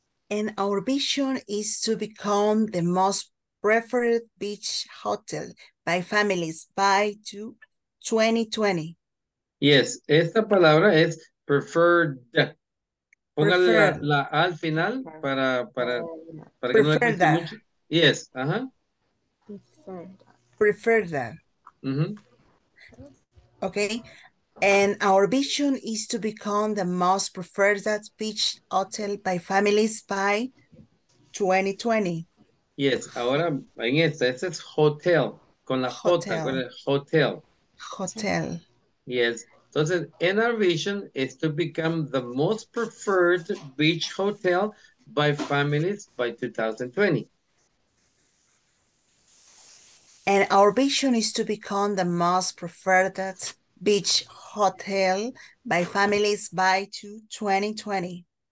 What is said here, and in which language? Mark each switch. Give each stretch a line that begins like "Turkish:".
English: And our vision is to become the most preferred beach hotel by families by 2020.
Spanish: Yes, esta palabra es preferred. Póngale la A al final para que no le cueste Preferda. mucho. Yes, ajá. Preferda.
English: Okay. And our vision is to become the most preferred beach hotel by families by 2020.
Spanish: Yes, ahora en este es hotel, con la J,
English: hotel. Hotel. Hotel. Yes,
Spanish: entonces,
English: in our vision is to become the most preferred beach hotel by families by 2020. And our vision is to become the most preferred beach hotel by families by 2020.